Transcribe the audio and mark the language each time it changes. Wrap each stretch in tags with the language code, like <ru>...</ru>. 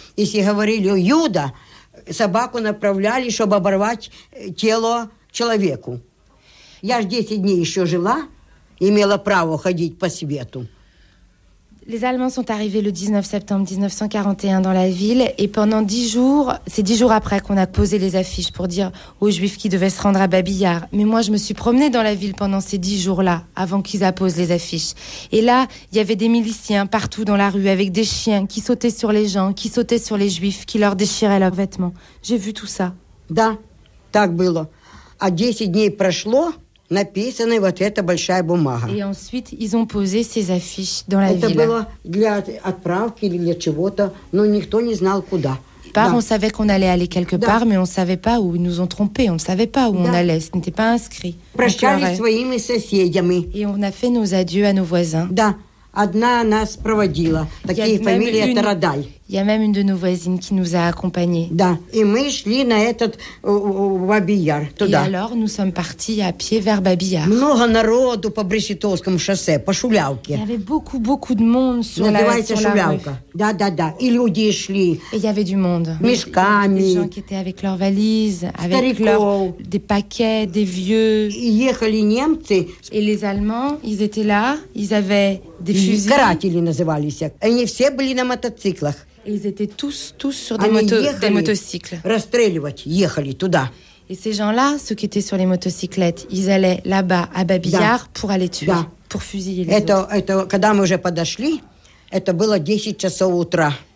<uk>І всі говорили, Юда, собаку направляли, щоб оборвати тіло чоловіку. Я ж 10 днів ще жила, мала право ходити по світу.</uk> <fr>Les Allemands sont arrivés le 19 septembre 1941 dans la ville et pendant 10 jours, c'est 10 jours après qu'on a posé les affiches pour dire aux Juifs qu'ils devaient se rendre à Babi Yar. Mais moi, je me suis promenée dans la ville pendant ces 10 jours-là, avant qu'ils apposent les affiches. Et là, il y avait des miliciens partout dans la rue avec des chiens qui sautaient sur les gens, qui sautaient sur les Juifs, qui leur déchiraient leurs vêtements. J'ai vu tout ça.</fr> <ru>Да, так было. А 10 дней прошло. Написана вот эта большая бумага. И</ru> <fr>ensuite, ils ont posé ces affiches dans la ville.</fr> <ru>Это было для отправки или для чего-то, но никто не знал куда.</ru> <fr>Part, on savait qu'on allait aller quelque part, mais on savait pas où. Ils nous ont trompés, on ne savait pas où on allait, ce n'était pas inscrit.</fr> <ru>Прощались с своими соседями.</ru> <fr>Et on a fait nos adieux à nos voisins.</fr> <ru>Да, одна нас проводила. Такие фамилия Тарадай.</ru> <fr>Il y a même une de nos voisines qui nous a accompagnés.</fr> <ru>Да, и мы шли на этот Бабий Яр туда.</ru> <fr>Et alors nous sommes partis à pied vers Бабий Яр.</fr> <ru>Много народу по Брестовскому шоссе, по Шулявке.</ru> <fr>Il y avait beaucoup de monde sur la</fr> <ru>Называется Шулявка. Да. И люди шли.</ru> <fr>Et il y avait du monde.</fr> <ru>Мешками.</ru> <fr>Des gens qui étaient avec leurs valises, avec des paquets, des vieux.</fr> <ru>Ехали немцы.</ru> <fr>Et les Allemands, ils étaient là, ils avaient des фузеи.</fr> <ru>Каратели назывались. Они все были на мотоциклах.</ru> <fr>Et ils étaient tous sur des motocycles.</fr> <ru>Расстреливать, ехали туда.</ru> <fr>Et ces gens-là, ceux qui étaient sur les motocyclettes, ils allaient là-bas, à Бабий Яр, pour aller tuer, pour fusiller les autres.</fr> <ru>Это, когда мы уже подошли, это было 10 часов утра.</ru>